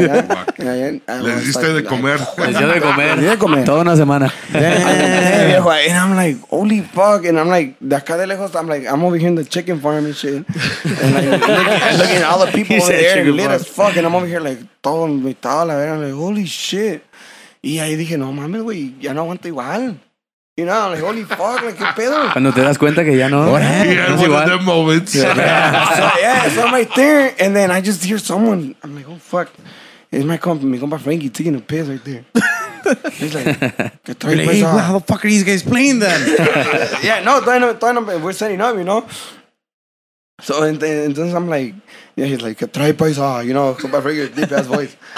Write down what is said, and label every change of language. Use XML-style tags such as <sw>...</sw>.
<es>Les diste de comer. Les dio de comer. Les dio de comer. Toda una semana.</es> <en>Viejo, and I'm like, holy fuck. And I'm like,</en> <es>de acá de lejos,</es> <en>I'm like, I'm over here in the chicken farm and shit. And like, looking at all the people over there, lit as fuck. And I'm over here, like,</en> <es>todo invitado, la verdad.</es> <en>I'm like, holy shit.</en> <es>Y ahí dije, no mames, güey, ya no aguanto igual.</es> <en>You know, like, holy fuck, like,</en> <es>qué pedo. Cuando te das cuenta que ya no.</es> <en>Yeah, one of the moments. So I'm right there, and then I just hear someone. I'm like, oh, fuck. It's my compa Frankie taking a piss right there. He's like,</en> <es>¿qué trae, pues,</es> <en>how the fuck are these guys playing then? Yeah, no,</en> <es>todavía no,</es> <en>we're setting up, you know? So,</en> <es>entonces</es> <en>I'm like, yeah, he's like,</en> <es>¿qué trae, pues,</es> <en>you know, compa Frankie, deep ass voice.</en>